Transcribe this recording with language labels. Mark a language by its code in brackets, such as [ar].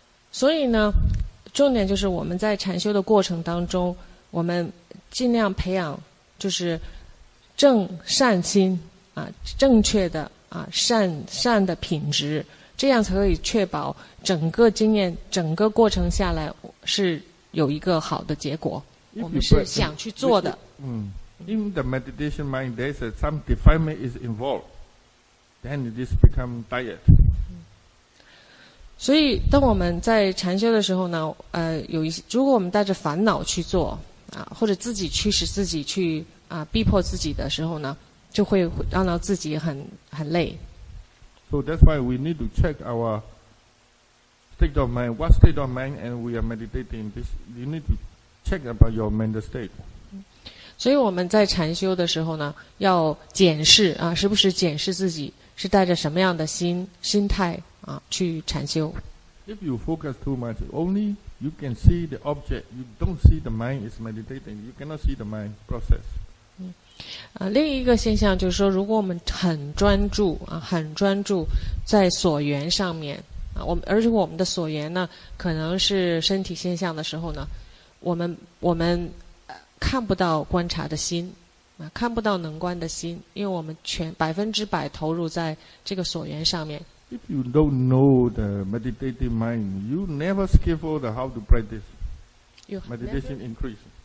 [zh] 所以呢，重点就是我们在禅修的过程当中，我们尽量培养就是正善心正确的。善的品质，这样才可以确保整个经验整个过程下来是有一个好的结果，我们是想去做的。 [en] In the meditation mind there's some defilement is involved, then it is become diet. [zh] 所以当我们在禅修的时候呢，如果我们带着烦恼去做或者自己驱使自己去逼迫自己的时候呢，就会让到自己很累。 [en] So that's why we need to check our state of mind. What state of mind and we are meditating this? You need to check about your mental state. [zh] 所以我们在禅修的时候呢，要检视时不时检视自己是带着什么样的心态去禅修。 [en] If you focus too much, only you can see the object. You don't see the mind is meditating. You cannot see the mind process. [zh] 另一个现象就是说，如果我们很专注在所缘上面而且我们的所缘呢可能是身体现象的时候呢，我们看不到观察的心看不到能观的心，因为我们全百分之百投入在这个所缘上面。 [en] If you don't know the meditative mind, you never skillful the how to practice meditation increase.